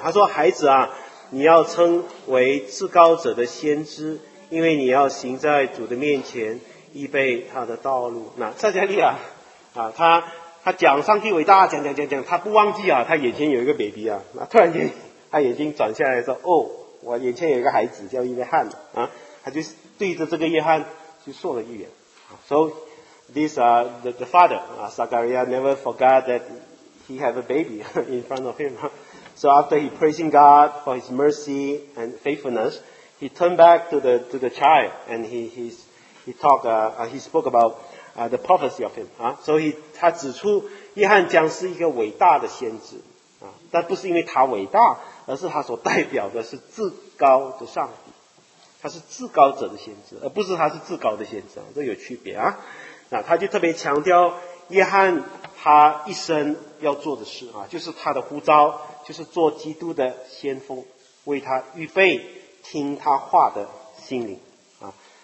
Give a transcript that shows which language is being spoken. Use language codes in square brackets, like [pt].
[zh] 他说：“孩子啊，你要称为至高者的先知，因为你要行在主的面前，预备他的道路。” 那撒迦利亚啊，他讲上帝伟大，讲，他不忘记啊，他眼前有一个 baby 啊。那突然间，他眼睛转下来说：“哦，我眼前有一个孩子叫约翰啊。” 他就对着这个约翰就说了一言。 [en] So,this the father Zachariah never forgot that he had a baby in front of him. So after he praising God for his mercy and faithfulness, he turned back to the child and he spoke about the prophecy of him. [zh] 啊，所以他指出约翰将是一个伟大的先知。啊，但不是因为他伟大，而是他所代表的是至高的上帝。他是至高者的先知，而不是他是至高的先知。啊，这有区别啊。那他就特别强调约翰他一生要做的事啊，就是他的呼召，就是做基督的先锋，为他预备听他话的心灵啊。